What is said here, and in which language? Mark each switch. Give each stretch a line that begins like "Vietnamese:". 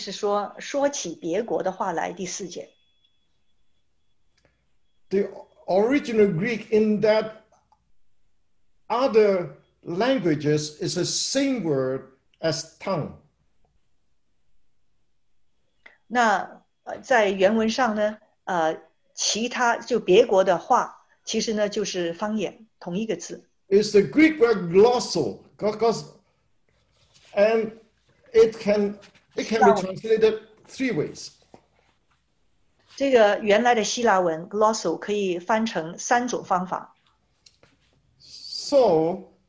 Chinese: 那中文的翻译是说说起别国的话来第四节。
English: The original Greek in that other languages is the same word as tongue.
Chinese: 那在原文上呢, 其他就别国的话，其实呢就是方言，同一个字。
English: It's the Greek word glossal, and it can be translated three ways.
Chinese: 这个原来的希腊文 glossal 可以翻成三种方法。
English: So